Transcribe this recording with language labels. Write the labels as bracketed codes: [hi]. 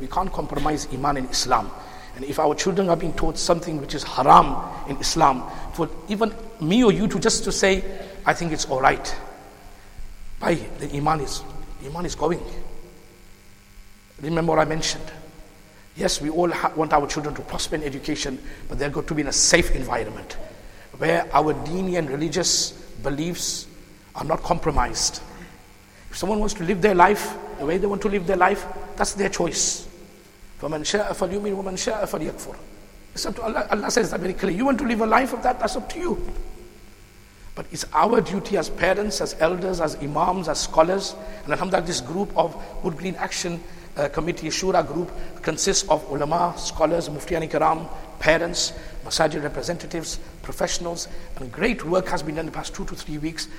[en] We can't compromise iman in Islam. And if our children are being taught something which is haram in Islam, for even me or you to just to say, I think it's all right, by the iman is going. Remember what I mentioned. Yes, we all want our children to prosper in education, but they're going to be in a safe environment where our dini and religious beliefs are not compromised. If someone wants to live their life the way they want to live their life, that's their choice. [ar] فَمَنْ شَاءَ فَلْيُؤْمِنْ وَمَنْ شَاءَ فَلْيَكْفُرْ [en] It's up to Allah. Allah says that very clearly. You want to live a life of that, that's up to you. But it's our duty as parents, as elders, as imams, as scholars, and alhamdulillah, this group of Wood Green Action Committee, Shura group, consists of ulama, scholars, muftiyani karam, parents, masajid representatives, professionals, and great work has been done in the past 2 to 3 weeks.